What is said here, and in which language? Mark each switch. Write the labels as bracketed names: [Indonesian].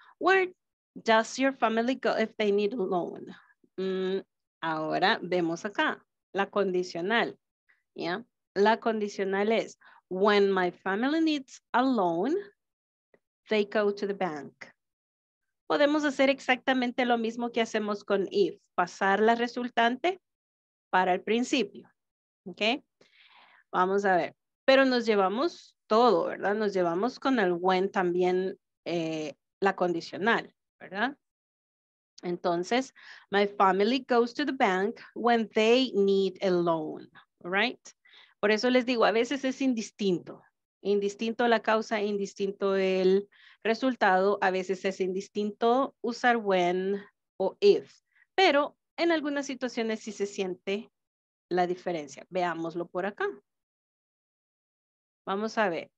[English] Where does your family go if they need a loan? [Spanish] Ahora vemos acá la condicional. Yeah. La condicional es, [English] when my family needs a loan, they go to the bank. [Spanish] Podemos hacer exactamente lo mismo que hacemos con if, pasar la resultante para el principio. ¿Ok? Vamos a ver. Pero nos llevamos todo, ¿verdad? Nos llevamos con el when también la condicional, ¿verdad? [English] Entonces, my family goes to the bank when they need a loan. Right? [Spanish] Por eso les digo, a veces es indistinto. Indistinto la causa, indistinto el resultado. A veces es indistinto usar when o if. Pero en algunas situaciones sí se siente la diferencia. Veámoslo por acá. Vamos a ver.